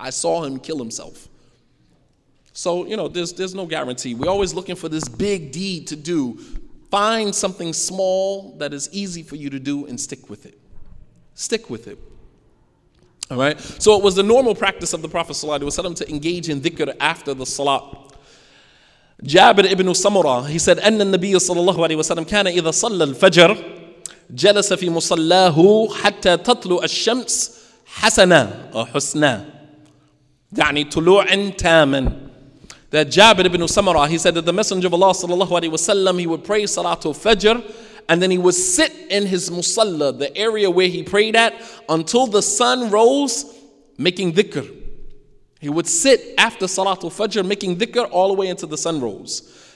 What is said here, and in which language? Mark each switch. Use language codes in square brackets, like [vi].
[en] I saw him kill himself. So, you know, there's no guarantee. We're always looking for this big deed to do. Find something small that is easy for you to do and stick with it. Stick with it. All right? So it was the normal practice of the Prophet Sallallahu Alaihi Wasallam to engage in dhikr after the salat. Jabir ibn Samura, he said, [ar] أن النبي صلى الله عليه وسلم كان إذا صلى الفجر جلس في مصلاه حتى تطلع الشمس حسنا أو حسنا يعني طلوع تاما. [en] That Jabir ibn Samura, he said that the Messenger of Allah sallallahu alayhi wa sallam, he would pray Salatul Fajr and then he would sit in his musalla, the area where he prayed at, until the sun rose, making dhikr. He would sit after Salatul Fajr making dhikr all the way until the sun rose.